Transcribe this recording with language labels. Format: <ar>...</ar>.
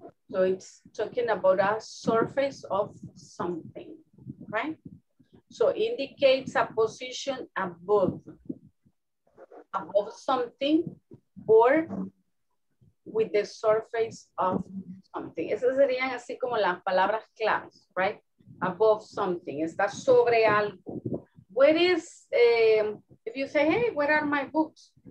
<en>So it's talking about a surface of something, right? So indicates a position above something or with the surface of something.</en> <es>Esas serían así como las palabras claves, right?</es> <en>Above something,</en> <es>está sobre algo.</es> <en>Where is, if you say, hey, where are my books?</en>